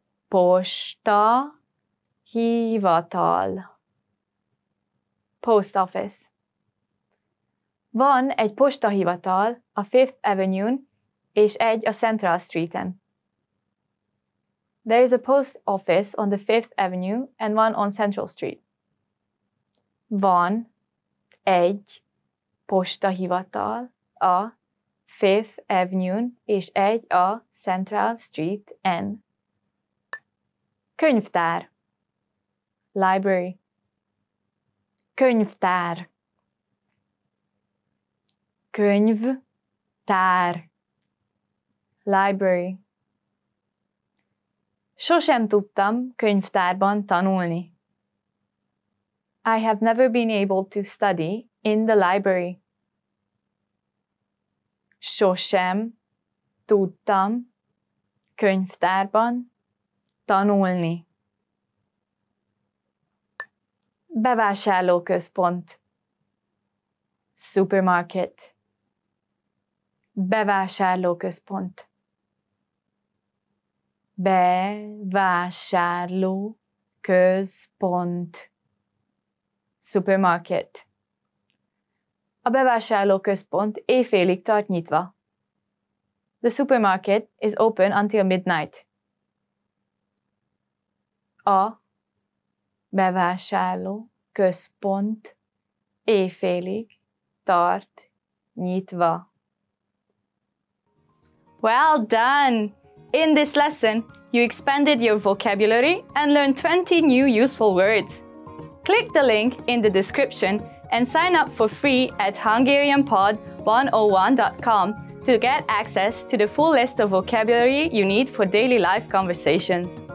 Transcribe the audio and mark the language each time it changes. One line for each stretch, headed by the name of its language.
Hungarian: Posta hivatal. Post office. Van egy posta hivatal a Fifth Avenue-n és egy a Central Street-en.
English: There is a post office on the Fifth Avenue and one on Central Street.
Hungarian: Van egy posta hivatal a Fifth Avenue-n és egy a Central Street-en. Könyvtár. Library. Könyvtár. Könyvtár. Library. Sosem tudtam könyvtárban tanulni.
English: I have never been able to study in the library.
Hungarian: Sosem tudtam könyvtárban tanulni. Bevásárlóközpont. Supermarket. Bevásárlóközpont. Bevásárlóközpont.
English: Supermarket.
Hungarian: A bevásárlóközpont éjfélig tart nyitva.
English: The supermarket is open until midnight.
Hungarian: A bevásárló központ éjfélig tart nyitva.
English: Well done! In this lesson, you expanded your vocabulary and learned 20 new useful words. Click the link in the description and sign up for free at HungarianPod101.com to get access to the full list of vocabulary you need for daily life conversations.